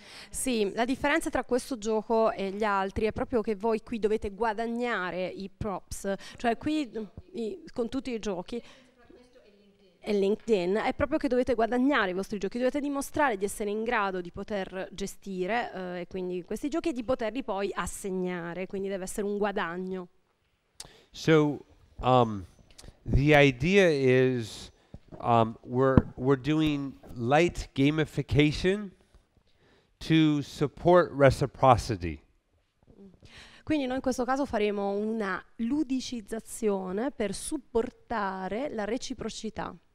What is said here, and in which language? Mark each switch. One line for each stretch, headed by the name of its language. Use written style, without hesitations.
Italian: Sì, la differenza tra questo gioco e gli altri è proprio che voi qui dovete guadagnare i props, cioè qui con tutti i giochi e LinkedIn è proprio che dovete guadagnare i vostri giochi, dovete dimostrare di essere in grado di poter gestire e quindi questi giochi e di poterli poi assegnare, quindi deve essere un guadagno.
English: So the idea is we're doing light gamification to support reciprocity.
Italian: Quindi noi in questo caso faremo una ludicizzazione per supportare la reciprocità.